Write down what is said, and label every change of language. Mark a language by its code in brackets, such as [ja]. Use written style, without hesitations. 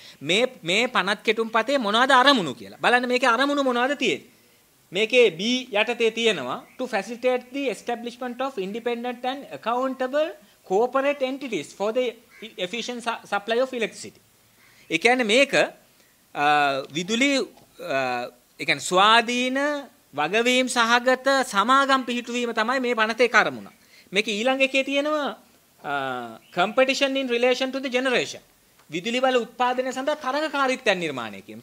[si] මේ පනත් කෙටුම්පතේ මොනවද අරමුණු කියලා බලන්න. මේකේ අරමුණු මොනවද තියෙන්නේ? මේකේ B යටතේ තියෙනවා [en] to facilitate the establishment of independent and accountable corporate entities for the efficient supply of electricity. [si] ඒ කියන්නේ මේක විදුලි, ඒ කියන්නේ ස්වාධීන වගවීම් සහගත සමාගම් පිහිටුවීම තමයි මේ පනතේ අරමුණ. මේකේ ඊළඟ එකේ තියෙනවා [en] competition in relation to the generation. [si] විදුලි බල උත්පාදනය සඳහා තරඟකාරීත්වයන් නිර්මාණය කිරීම.